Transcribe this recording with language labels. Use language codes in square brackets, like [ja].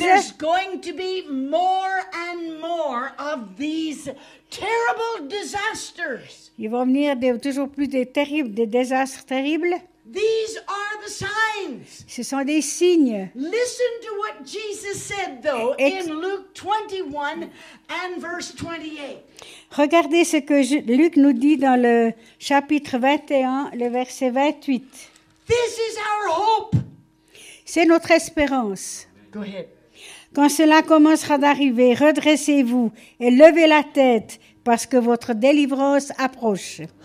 [en] There's going to be more and more of these terrible disasters. [fr] Il va venir toujours plus de terribles, des désastres terribles. [en] These are the signs. [fr] Ce sont des signes. [en] Listen to what Jesus said, though, in Luke 21 and verse 28. [fr] Regardez ce que Luc nous dit dans le chapitre 21, le verset 28. [en] This is our hope. [fr] C'est notre espérance. [en] Go ahead. [fr] Quand cela commencera d'arriver, redressez-vous et levez la tête, parce que votre délivrance approche.